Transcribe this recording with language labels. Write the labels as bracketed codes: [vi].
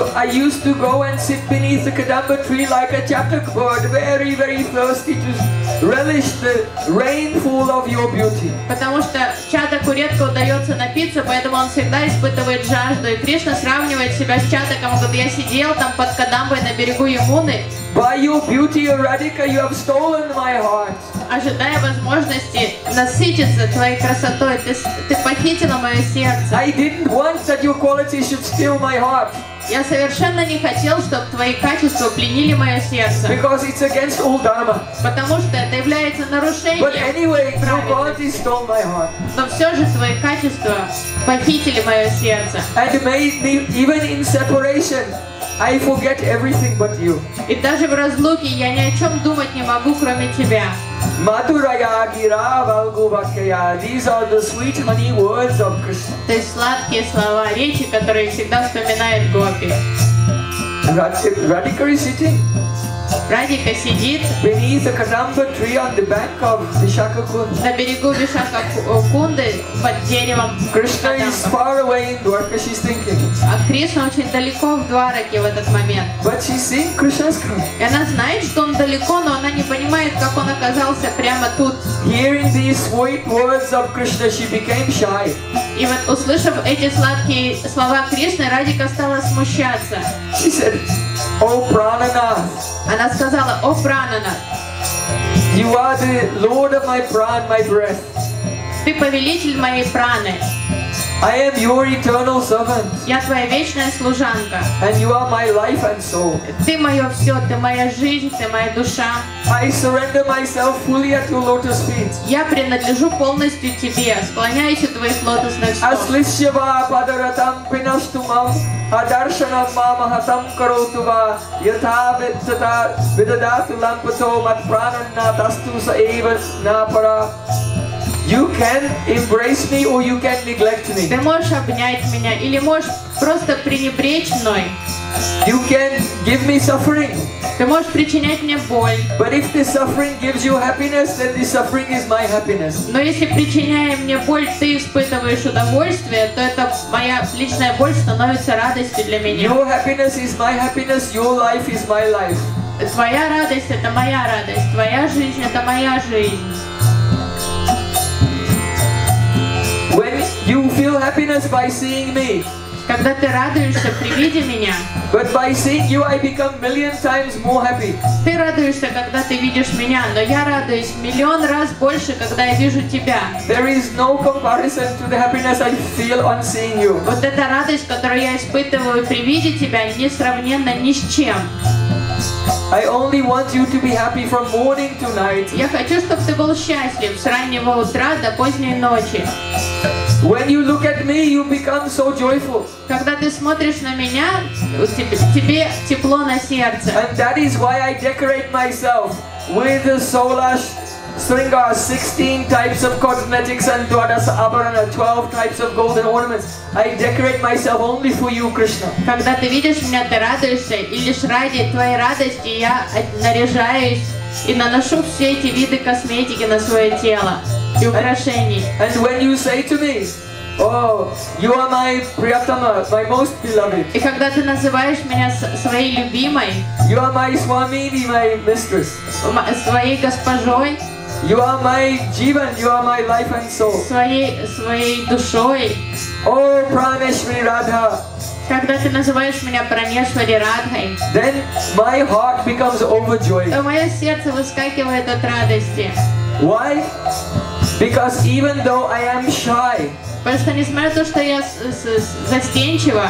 [en] So I used to go and sit beneath the kadamba tree like a chatak bird, very, very thirsty to relish the rainfall of your beauty. [ru] Потому что чатаку редко удается напиться, поэтому он всегда испытывает жажду. И Кришна сравнивает себя с чатаком, вот я сидел там под кадамбой на берегу Ямуны. [en] By your beauty, Radhika, you have stolen my heart. [ru] Ожидая возможности насытиться твоей красотой, ты похитила мое сердце. [en] I didn't want that your quality should steal my heart. [ru] Я совершенно не хотел, чтобы твои качества пленили мое сердце. [en] Because it's against all dharma. [ru] Потому что это является нарушением. [en] But anyway, your quality stole my heart. [ru] Но все же твои качества похитили мое сердце. [en] And made me even in separation. I forget everything but you. [ru] И даже в разлуке я ни о чем думать не могу, кроме тебя. [sa] Матурая гира валгу вакхая. [en] These are the sweet honey words of Krishna. [ru] То есть сладкие слова, речи, которые всегда вспоминает гопи. [en] Radhika is sitting. [ru] Radhika сидит. [en] Beneath the kadamba tree on the bank of Vishakhakund. [ru] На берегу Вишакхакунды под деревом. [en] Krishna is far away in Dwarka, she's thinking. [ru] А Кришна очень далеко в Двараке в этот момент. [en] But she's seeing Krishna's coming. [ru] И она знает, что он далеко, но она не понимает, как он оказался прямо тут. [en] Hearing these sweet words of Krishna, she became shy. [ru] И вот услышав эти сладкие слова Кришны, Радика стала смущаться. [en] She said, О, Прананас. [ru] Она сказала, О, Прананас. [en] You are the Lord of my prana, my breath. [ru] Ты повелитель моей праны. [en] I am your eternal servant. [ru] Я твоя вечная служанка. [en] And you are my life and soul. [ru] Ты моё всё, ты моя жизнь, ты моя душа. [en] I surrender myself fully at your lotus feet. [ru] Я принадлежу полностью тебе, склоняюсь у твоих лотосных стоп. [sa] Аслишьева падаратам пинастумам адаршанам мамахатам каротува ята виддата виддадасу лампасо матпрананна дастуса эйвас напара. [en] You can embrace me or you can neglect me. [ru] Ты можешь обнять меня или можешь просто пренебречь мной. [en] You can give me suffering. [ru] Ты можешь причинять мне боль. [en] But if the suffering gives you happiness, then the suffering is my happiness. [ru] Но если причиняя мне боль, ты испытываешь удовольствие, то это моя личная боль становится радостью для меня. [en] Your happiness is my happiness, your life is my life. [ru] Твоя радость это моя радость, твоя жизнь это моя жизнь. [en] You feel happiness by seeing me. [ru] Когда ты радуешься при виде меня. [en] But by seeing you, I become million times more happy. [ru] Ты радуешься, когда ты видишь меня, но я радуюсь миллион раз больше, когда я вижу тебя. [en] There is no comparison to the happiness I feel on seeing you. [ru] Вот эта радость, которую я испытываю при виде тебя, несравненна ни с чем. [en] I only want you to be happy from morning to night. [ru] Я хочу, чтобы ты был счастлив с раннего утра до поздней ночи. [en] When you look at me, you become so joyful. [ru] Когда ты смотришь на меня, тебе тепло на сердце. [en] And that is why I decorate myself with the solar sringar, 16 types of cosmetics and dwadasa abharana, 12 types of golden ornaments. I decorate myself only for you, Krishna. [ru] Когда ты видишь меня, ты радуешься, и лишь ради твоей радости я наряжаюсь и наношу все эти виды косметики на свое тело. [en] And when you say to me, oh, you are my Priyatama, my most beloved. [ru] И когда ты называешь меня своей любимой. [en] You are my Swamini, my mistress. [ru] Своей госпожой. [en] You are my Jivan, you are my life and soul. [ru] Своей душой. [en] Oh, Praneshwari Radha. [ru] Когда ты называешь меня Пранешвари Радхой. [en] Then my heart becomes overjoyed. [ru] То мое сердце выскакивает от радости. [en] Why? Because even though I am shy. [ru] Просто несмотря на то, что я застенчива.